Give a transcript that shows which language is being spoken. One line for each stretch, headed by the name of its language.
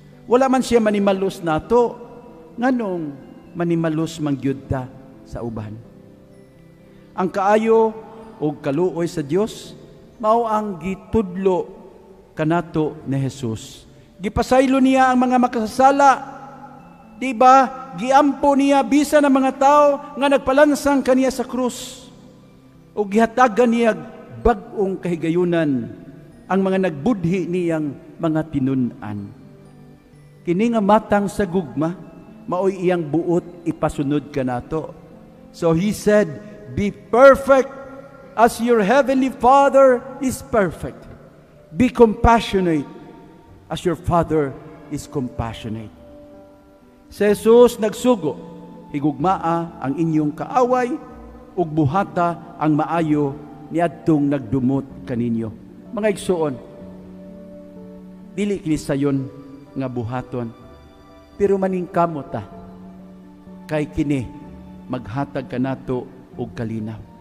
Cebuano: Wala man siya manimalos nato, nganong manimalos manggyud ta sa uban. Ang kaayo og kaluoy sa Dios mao ang gitudlo kanato ni Jesus. Gipasaylo niya ang mga makasala. Diba? Giampo niya bisan ang mga tao nga nagpalansang kaniya sa krus. Og gihatagan niya bag-ong kahigayunan ang mga nagbudhi niyang mga tinun-an. ini nga matang sa gugma, maoy iyang buot, ipasunod ka na to.
English: So he said, be perfect as your heavenly Father is perfect. Be compassionate as your Father is compassionate.
Cebuano: Si Jesus nagsugo, higugmaa ang inyong kaaway, ug buhata ang maayo ni adtong nagdumot kaninyo. Mga igsuon, dili kini sayon nga buhaton, pero maningkamot ta kay kini maghatag kanato og kalinaw.